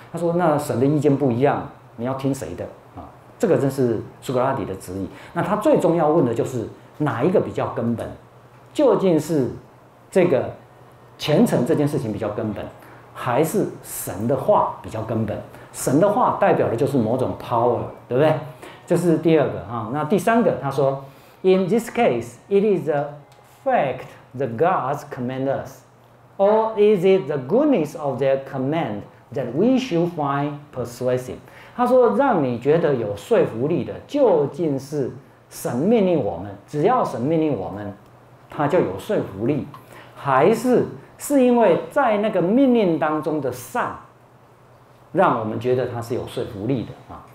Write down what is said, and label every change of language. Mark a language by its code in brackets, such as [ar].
[zh] 他说那神的意见不一样，你要听谁的啊？这个正是苏格拉底的质疑。那他最终要问的就是哪一个比较根本，究竟是这个虔诚这件事情比较根本，还是神的话比较根本？神的话代表的就是某种 power， 对不对？这是第二个啊。 [en] 那第三个， [zh] 他说 [en] ，In this case, it is the fact the gods command us, or is it the goodness of their command that we should find persuasive？ [zh] 他说，让你觉得有说服力的，究竟是神命令我们，只要神命令我们，他就有说服力，还是？是因为在那个命令当中的善，让我们觉得它是有说服力的啊。